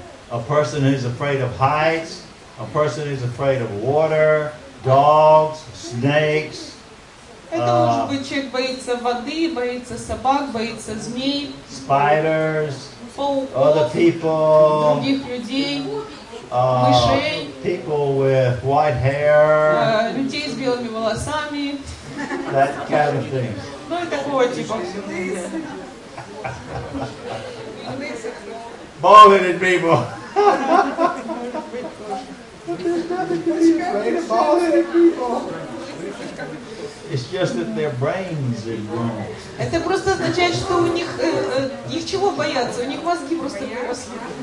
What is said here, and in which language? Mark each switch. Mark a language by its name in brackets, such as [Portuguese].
[English] A person who's afraid of heights, a person who's afraid of water, dogs, snakes. [Russian] Это может быть человек боится воды, боится собак, боится змей. [English] Spiders. [Russian] Пауков, [English] other people, [Russian] других людей, мышей, [English] people with white hair, [Russian] людей с белыми волосами, [English] that kind of thing. [Russian] Ну и такого типа. [English] Bald-headed people. It's just that their brains are wrong. [Russian] Это просто означает, что у них их чего бояться? У них мозги просто поросли.